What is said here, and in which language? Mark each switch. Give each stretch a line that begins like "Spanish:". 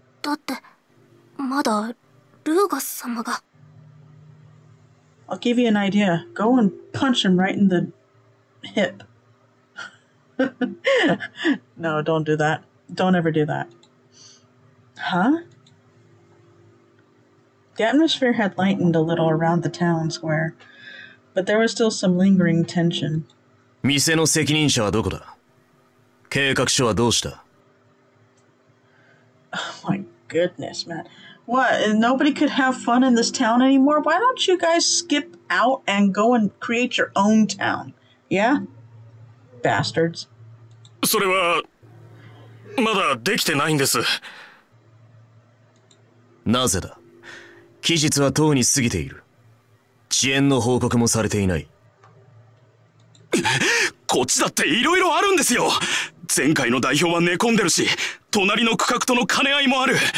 Japanese: だって、まだルーガス様が。
English: I'll give you an idea. Go and punch him right in the hip. No, don't do that. Don't ever do that. Huh? The atmosphere had lightened a little around the town square, but there was still some lingering tension.
Japanese: 店の責任者はどこだ?計画書はどうした?
English: Oh my goodness, man. What? Nobody could have fun in this town anymore? Why don't you guys skip out and go and create your own town? Yeah? Bastards.
Japanese: それは…まだできてないんです。なぜだ? 期日はとうに過ぎている。遅延の報告もされていない。こっちだっていろいろあるんですよ。前回の代表は寝込んでるし、隣の区画との兼ね合いもある。